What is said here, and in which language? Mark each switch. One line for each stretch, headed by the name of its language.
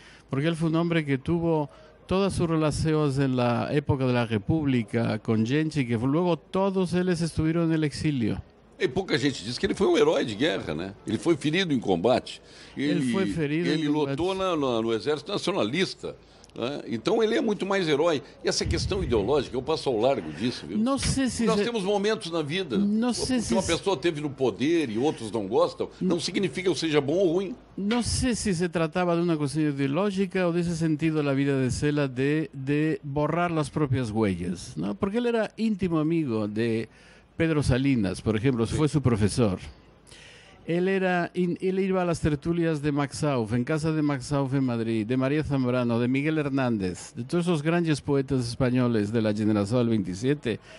Spanish: Porque él fue un hombre que tuvo todas sus relaciones en la época de la República con gente, que luego todos ellos estuvieron en el exilio. Y poca gente dice que él fue un héroe de guerra, ¿no? Él fue ferido en combate. Él fue ferido en combate. Él lutó en el ejército nacionalista.
Portuguese: Então ele é muito mais herói. E essa questão ideológica, eu passo ao largo disso, viu? Não sei se nós temos momentos na vida que uma pessoa teve no poder e outros não gostam, não significa que seja bom ou ruim. Não sei se se tratava de uma questão ideológica ou desse sentido da vida de Cela de borrar as próprias huellas, não? Porque ele era íntimo amigo de Pedro Salinas, por exemplo, sim, foi seu professor.
Spanish: Él iba a las tertulias de Max Auf, en casa de Max Auf en Madrid, de María Zambrano, de Miguel Hernández, de todos esos grandes poetas españoles de la generación del 27.